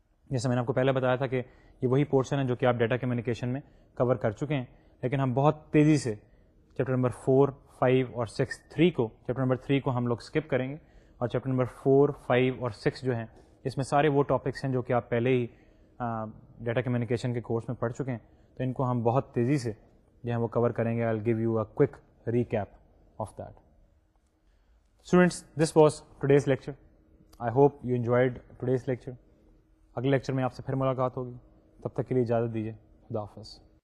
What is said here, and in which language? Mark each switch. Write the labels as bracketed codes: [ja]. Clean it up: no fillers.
[ur] جیسے میں نے آپ کو پہلے بتایا تھا کہ یہ وہی پورشن ہے جو کہ آپ ڈیٹا کمیونیکیشن میں کور کر چکے ہیں, لیکن ہم بہت تیزی سے چیپٹر نمبر 4, 5 اور 6, 3 کو چیپٹر نمبر 3 کو ہم لوگ اسکپ کریں گے, اور چیپٹر نمبر 4, 5 اور 6 جو ہیں اس میں سارے وہ ٹاپکس ہیں جو کہ آپ پہلے ہی ڈیٹا کمیونیکیشن کے کورس میں پڑھ چکے ہیں, تو ان کو ہم بہت تیزی سے جو ہے وہ کور کریں گے. [en] I will give you a quick recap of that. [ur] Students, [en] This was today's lecture. [ur] I hope you enjoyed today's lecture. اگلے لیکچر میں آپ سے پھر ملاقات ہوگی, تب تک کے لیے اجازت دیجیے. خدا حافظ.